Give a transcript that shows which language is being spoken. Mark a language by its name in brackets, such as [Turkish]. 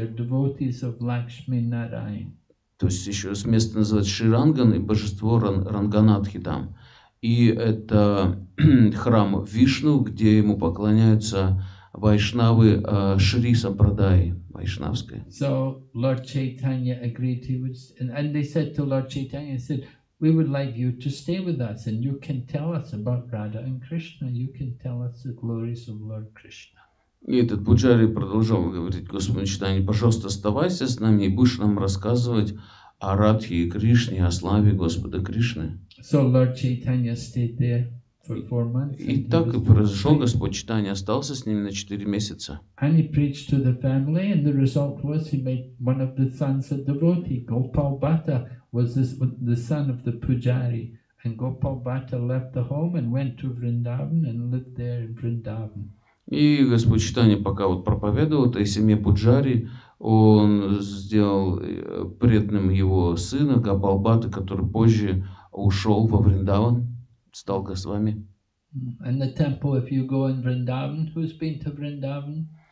[English] They're devotees of Lakshmi Narayan. [Russian] То есть еще с места называют Шри Ранган и божество Ранганатхи там. И это храм Вишну, где ему поклоняются вайшнавы Шри Сампрадай, вайшнавская. [English] So Lord Chaitanya agreed, he would, and they said to Lord Chaitanya, he said, we would like you to stay with us, and you can tell us about Radha and Krishna, you can tell us the glories of Lord Krishna. [Russian] И этот пуджари продолжал говорить Господу Чайтанье, пожалуйста, оставайся с нами и будешь нам рассказывать о Радхе и Кришне, о славе Господа Кришны. [English] So Lord Chaitanya stayed there for 4 months. [Russian] И так и произошел, Господь Чайтанье остался с ними на 4 месяца. [English] And he preached to the family, and the result was he made one of the sons a devotee. Gopal Bhatta was the son of the pujari. And Gopal Bhatta left the home and went to Vrindavan and lived there in Vrindavan. [Russian] И Господь Чайтанья пока вот проповедовал этой семье пуджари, он сделал преданным его сына Гопал Бхатту, который позже ушел во Вриндаван, стал Госвами. [English] And the temple, if you go in Vrindavan, who's been to Vrindavan?